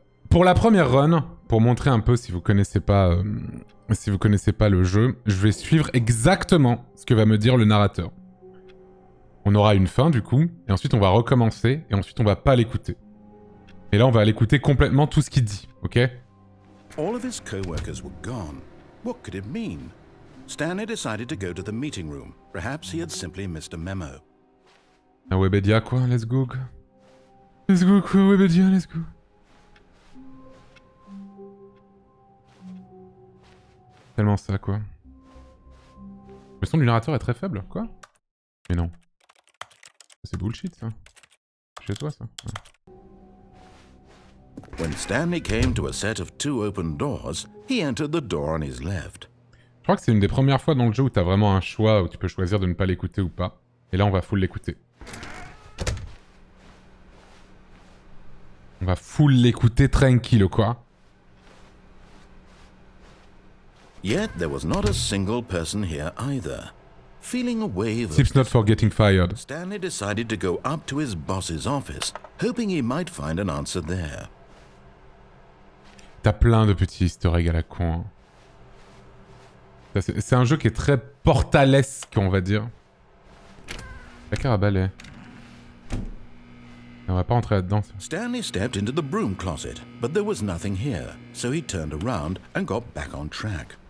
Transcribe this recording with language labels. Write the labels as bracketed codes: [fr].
[fr] Pour la première run, pour montrer un peu si vous connaissez pas, si vous connaissez pas le jeu, je vais suivre exactement ce que va me dire le narrateur. On aura une fin du coup, et ensuite on va recommencer, et ensuite on va pas l'écouter. Et là, on va l'écouter complètement tout ce qu'il dit, ok? [en] All of his co-workers were gone. What could it mean? Stanley decided to go to the meeting room. Perhaps he had simply missed a memo. [fr] Un Webedia, quoi? [en] Let's go, [fr] quoi? [en] Let's go, [fr] quoi? Webedia, [en] let's go. [fr] Tellement ça, quoi? Le son du narrateur est très faible, quoi? Mais non. C'est [en] bullshit, [fr] ça. Chez toi, ça. Ouais. [en] When Stanley came to a set of two open doors, he entered the door on his left. [fr] Je crois que c'est une des premières fois dans le jeu où t'as vraiment un choix, où tu peux choisir de ne pas l'écouter ou pas. Et là, on va full l'écouter. On va full l'écouter tranquille, quoi. [en] Yet there was not a single person here either. Feeling a wave of tips not for getting fired. Stanley decided to go up to his boss's office, hoping he might find an answer there. [fr] T'as plein de petits easter eggs à la con. Hein. C'est un jeu qui est très portalesque, on va dire. La carabalée. On va pas rentrer là-dedans. Ça. [en] Stanley stepped into the broom closet, but there was nothing here, so he turned around and got back on track.